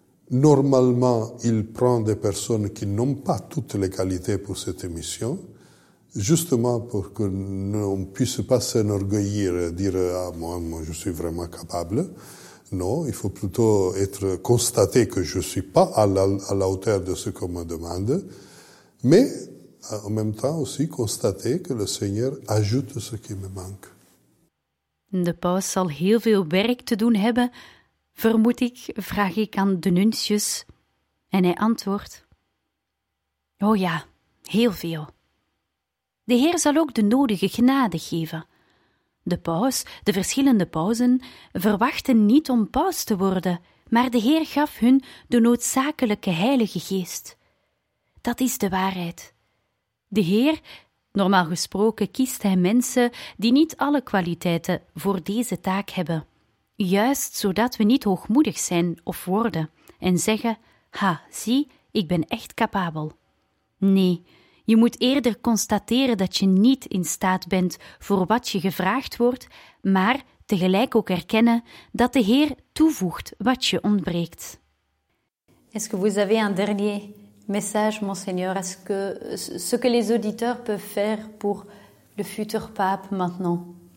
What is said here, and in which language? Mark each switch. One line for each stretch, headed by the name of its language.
French: Normalement, il prend des personnes qui n'ont pas toutes les qualités pour cette mission, justement pour que on ne puisse pas s'enorgueillir et dire « Ah, moi, je suis vraiment capable ». Non, il faut plutôt être constaté que je ne suis pas à la hauteur de ce qu'on me demande, mais en même temps aussi constater que le Seigneur ajoute ce qui me manque.
Dutch: De paus zal heel veel werk te doen hebben, vermoed ik, vraag ik aan de nuncius. En hij antwoordt: oh ja, heel veel. De Heer zal ook de nodige genade geven. De paus, de verschillende pausen, verwachten niet om paus te worden, maar de Heer gaf hun de noodzakelijke Heilige Geest. Dat is de waarheid. De Heer... Normaal gesproken kiest hij mensen die niet alle kwaliteiten voor deze taak hebben. Juist zodat we niet hoogmoedig zijn of worden en zeggen, ha, zie, ik ben echt capabel. Nee, je moet eerder constateren dat je niet in staat bent voor wat je gevraagd wordt, maar tegelijk ook erkennen dat de Heer toevoegt wat je ontbreekt.
French: Est-ce que vous avez un dernier message, Monseigneur, est-ce que ce que les auditeurs peuvent faire pour le futur pape maintenant?